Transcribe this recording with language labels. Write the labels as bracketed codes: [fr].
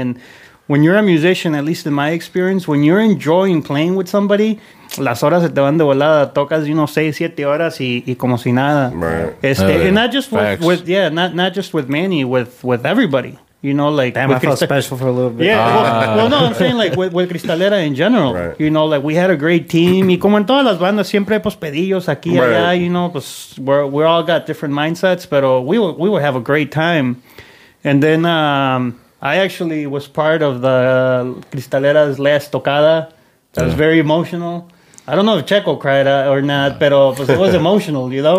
[en] And when you're a musician, at least in my experience, when you're enjoying playing with somebody, [es] las horas se te van de volada. Tocas, you know, 6-7 horas y como si nada. [en] Right. And not just with Manny, with everybody. You know, like... Damn, I felt special for a little bit. Yeah. Well, no, I'm saying, like, with Cristalera in general. Right. You know, like, we had a great team. [es] Y como en todas las bandas, siempre hay pospedillos aquí, right. [en] Allá, you know, pues, we all got different mindsets, pero we would have a great time. And then... I actually was part of the Cristalera's last tocada. That was very emotional. I don't know if Checo cried or not, pero pues it was emotional, you know?